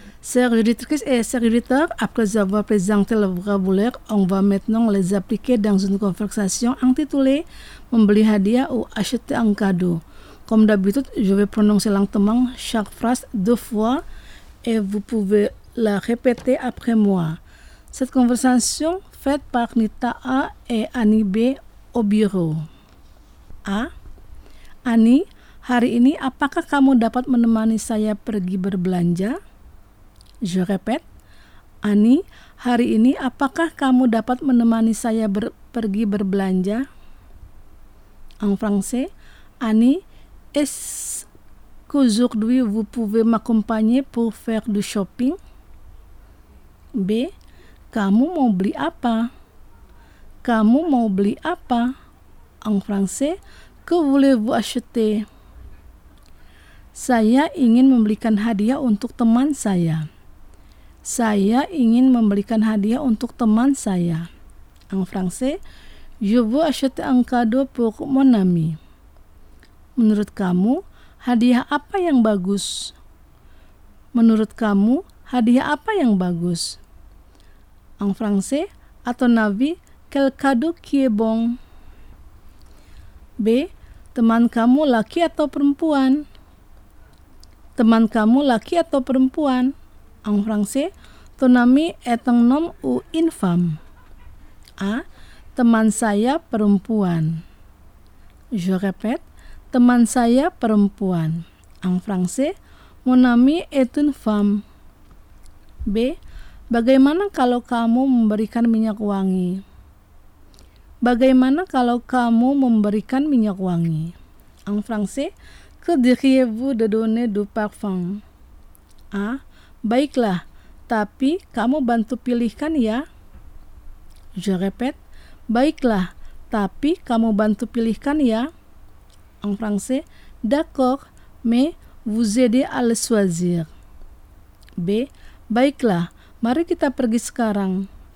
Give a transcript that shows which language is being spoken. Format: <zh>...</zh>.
<fr>Chers auditrices et chers auditeurs, après avoir présenté le vocabulaire, on va maintenant les appliquer dans une conversation intitulée « Membeli hadiah ou acheter un cadeau ». Comme d'habitude, je vais prononcer lentement chaque phrase deux fois et vous pouvez la répéter après moi. Cette conversation faite par Nita A et Annie B au bureau. A.</fr> <id>Annie, hari ini apakah kamu dapat menemani saya pergi berbelanja? Je répète. Annie, hari ini apakah kamu dapat menemani saya pergi berbelanja?</id> <fr>En français. Annie, est-ce qu'aujourd'hui vous pouvez m'accompagner pour faire du shopping? B.</fr> <id>Kamu mau beli apa? Kamu mau beli apa? En français, que voulez-vous acheter? Saya ingin membelikan hadiah untuk teman saya. Saya ingin membelikan hadiah untuk teman saya.</id> <fr>En français, je veux acheter un cadeau pour mon ami.</fr> <id>Menurut kamu, hadiah apa yang bagus? Menurut kamu, hadiah apa yang bagus?</id> <fr>En français, à ton avis, quel cadeau qui est bon? B.</fr> <id>Teman kamu laki atau perempuan? Teman kamu laki atau perempuan?</id> <fr>En français, ton ami est un homme ou une femme?</fr> <id>A. Teman saya perempuan. Je répète. Teman saya perempuan.</id> <fr>En français, mon ami est une femme. B.</fr> <id>Bagaimana kalau kamu memberikan minyak wangi? Bagaimana kalau kamu memberikan minyak wangi?</id> <fr>En français, que diriez-vous de donner du parfum? A.</fr> <id>Baiklah, tapi kamu bantu pilihkan ya. Je répète. Baiklah, tapi kamu bantu pilihkan ya.</id> <fr>En français, d'accord, mais vous aidez à le choisir. B.</fr> <id>Baiklah, mari kita pergi sekarang.</id>